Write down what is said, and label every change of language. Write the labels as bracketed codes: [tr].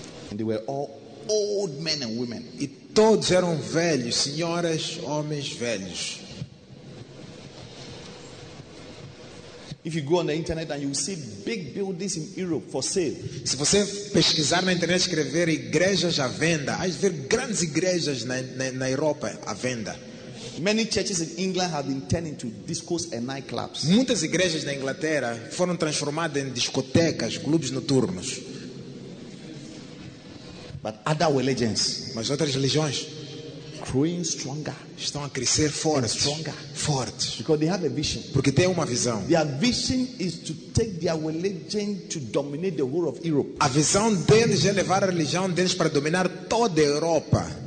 [en] And they were all old men and women. [pt] E todos eram velhos, senhoras, homens velhos. [en] If you go on the internet and you see big buildings in Europe for sale. [pt] Se você pesquisar na internet, escrever igrejas à venda, há de ver grandes igrejas na Europa à venda. [en] Many churches in England have been turned into discos and nightclubs. [pt] Muitas igrejas na Inglaterra foram transformadas em discotecas, clubes noturnos. [en] But other religions, [pt] mas outras religiões, [en] growing stronger. [pt] Estão a crescer fortes, [en] stronger, [pt] fortes. [en] Because they have a vision. [pt] Porque têm uma visão. [en] Their vision is to take their religion to dominate the whole of Europe. [pt] A visão deles é levar a religião deles para dominar toda a Europa.